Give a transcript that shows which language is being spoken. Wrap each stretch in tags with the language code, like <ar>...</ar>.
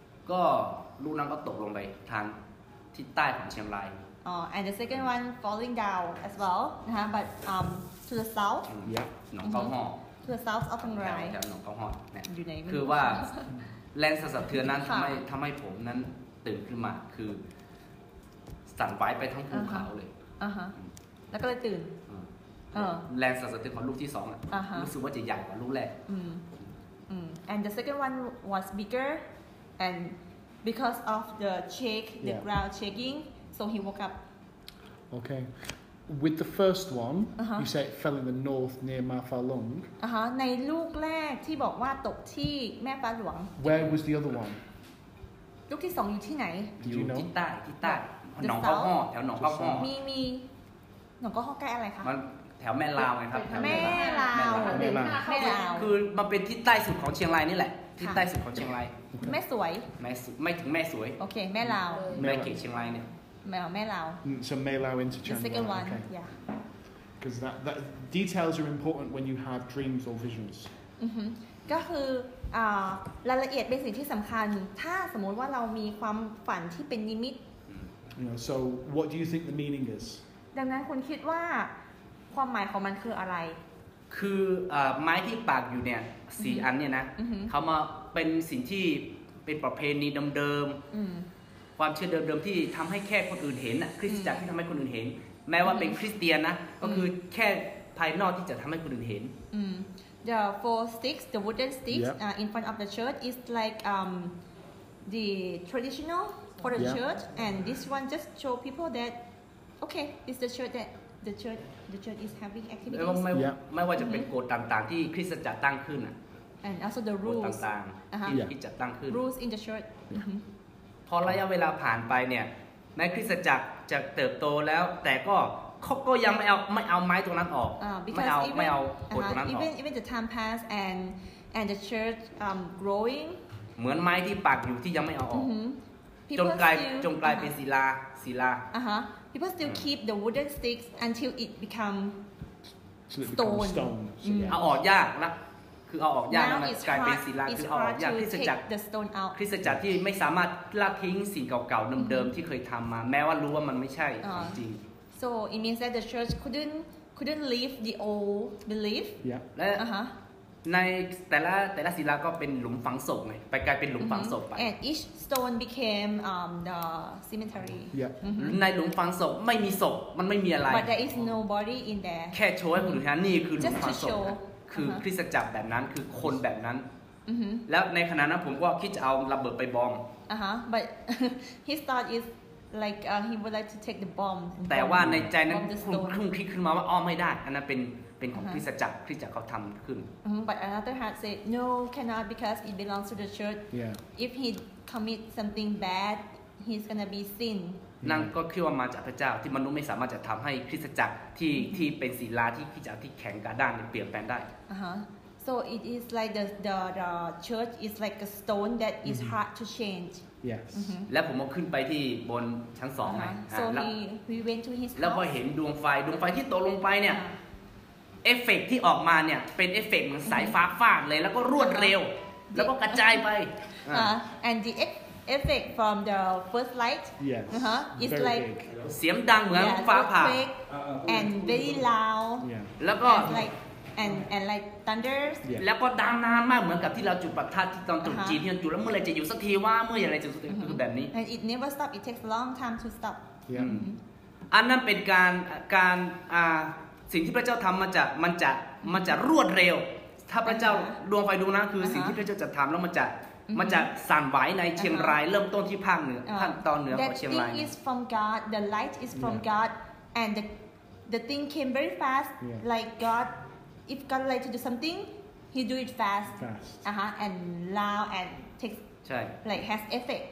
<th>ก็ลูกนั้นก็ตกลงไปทางที่ใต้ของเชียงราย</th> <en>อ๋อ and the second one falling down as well นะฮะ but to the south Yep.</en> <th>หนองเขาห่อ</th> <en>to the south of Chiang Rai</en> <th>หนองเขาห่อเนี่ย อยู่ไหน คือว่าแรงสั่นสะเทือนนั้นทำให้ผมนั้นตื่นขึ้นมาคือสั่นไหวไปทั้งภูเขาเลย แล้วก็เลยตื่น แรงสั่นสะเทือนของลูกที่สองอ่ะ uh-huh. รู้สึกว่าจะใหญ่กว่าลูกแรก</th> <en>and the second one was bigger and because of the shake the ground shaking so he woke up okay with the first one uh-huh. you say it fell in the north near Ma Fa Long</en> <th>ในลูกแรกที่บอกว่าตกที่แม่ฟ้าหลวง</th> <en>where was the other one</en> <th>ลูกที่สองอยู่ที่ไหน</th> <en>you know?</en> <th>ที่ใต้หนองข้าวห่อแถวหนองข้าวห่อ มีหนองข้าวห่อใกล้อะไรคะ แถวแม่ลาวไงครับ แม่ลาว แม่ลาว คือมันเป็นที่ใต้สุดของเชียงรายนี่แหละ ที่ใต้สุดของเชียงราย แม่สวย แม่สวยไม่ถึงแม่สวย โอเคแม่ลาว แม่เขตเชียงรายเนี่ย แม่ลาว</th> <en>so แม่ลาว interchange the second one okay. yeah because that details are important when you have dreams or visions</en> <th>ก็คือรายละเอียดเป็นสิ่งที่สำคัญถ้าสมมติว่าเรามีความฝันที่เป็นนิมิต</th> <en>so what do you think the meaning is</en> <th>ดังนั้นคุณคิดว่าความหมายของมันคืออะไร คือไม้ที่ปากอยู่เนี่ยสี่อันเนี่ยนะเขามาเป็นสิ่งที่เป็นประเพณีเดิมๆความเชื่อเดิมๆที่ทำให้แค่คนอื่นเห็นอะคริสตจักรที่ทำให้คนอื่นเห็นแม้ว่าเป็นคริสเตียนนะก็คือแค่ภายนอกที่จะทำให้คนอื่นเห็น</th> <en>The four sticks the wooden sticks in front of the church is like the traditional for the church and this one just show people that okay it's the church that The church is having activities. Yeah.</en> <th>ไม่ว่าจะเป็นโกฏต่างๆที่คริสตจักรตั้งขึ้นน่ะ</th> <en>And also the rules</en> <th>โกฏต่างๆที่จัดตั้งขึ้น</th> <en>Rules in the church.</en> <th>พอระยะเวลาผ่านไปเนี่ยแม้คริสตจักรจะเติบโตแล้วแต่ก็เขาก็ยังไม่เอาไม้ตรงนั้นออก ไม่เอา โกฏตรงนั้นออก</th> <en>Even the time pass and the church growing</en> <th>เหมือนไม้ที่ปักอยู่ที่ยังไม่เอาออก จนกลาย เป็นศิลา</th> <en>People still keep the wooden sticks until it become stone.</en> <th>เอาออกยากนะคือเอาออกยาก แล้ว กลายเป็นศิลาคือ เอาออกยาก ค ริสตจักรที่ไม่สามารถละทิ้งสิ่งเก่าๆเดิมๆที่เคยทำมาแม้ว่ารู้ว่ามันไม่ใช่จริง</th> <en>So it means that the church couldn't leave the old belief. Yeah.</en> <th>และในแต่ละศิลาก็เป็นหลุมฝังศพไงไปกลายเป็นหลุมฝังศพไป</th> <en>And each stone became the cemetery yeah.</en> <th>ในหลุมฝังศพไม่มีศพมันไม่มีอะไร</th> <en>But there is no body in there</en> <th>แค่โชว์ให้คุณดูนะนี่คือหลุมฝังศพคือคริสตจักรแบบนั้นคือคนแบบนั้นแล้วในขณะนั้นผมก็คิดจะเอาระเบิดไปบอม</th> <en>But his thought is like he would like to take the bomb</en> <th>แต่ว่าในใจนั้นคุณคิดขึ้นมาว่าอ้อมไม่ได้อันนั้นเป็นของคริสตจักรเขาทำขึ้น</th> <en>But another heart said no cannot because it belongs to the church if he commit something bad he's gonna be sin</en> <th>นั่นก็คือว่ามาจากพระเจ้าที่มนุษย์ไม่สามารถจะทำให้คริสตจักรที่ที่เป็นศิลาที่คริสตจักรที่แข็งกระด้างเปลี่ยนแปลงได้</th> <en>so it is like the church is like a stone that is hard to change yes</en> <th>และผมก็ขึ้นไปที่บนชั้นสองไง</th> <en>so he went to his house</en> <th>แล้วพอเห็นดวงไฟที่ตกลงไปเนี่ยเอฟเฟกต์ที่ออกมาเนี่ยเป็นเอฟเฟกต์เหมือนสายฟ้าฟาดเลยแล้วก็รวดเร็วแล้วก็กระจายไป</th> <en>and the effect from the first light is like</en> <th>เสียงดังเหมือนฟ้าผ่า</th> <en>and very loud</en> <th>แล้วก็</th> <en>like and like thunders</en> <th>แล้วก็ดังนานมากเหมือนกับที่เราจุดประทัดที่ตอนตรุษจีนที่ตอนจุดแล้วเมื่อไรจะอยู่สักทีว่าเมื่อไรจะสุดคือแบบนี้</th> <en>and it never stop it takes long time to stop</en> <th>อันนั้นเป็นการสิ่งที่พระเจ้าทำมันจะรวดเร็วถ้าพระเจ้าดวงไฟดวงนั้นคือสิ่งที่พระเจ้าจะทำแล้วมันจะสั่นไหวในเชียงรายเริ่มต้นที่ภาคเหนือภาคตอนเหนือของเชียงราย</th> <en>That thing is from God the light is from God and the thing came very fast like God if God like to do something he do it fast and loud and takes like has effect</en>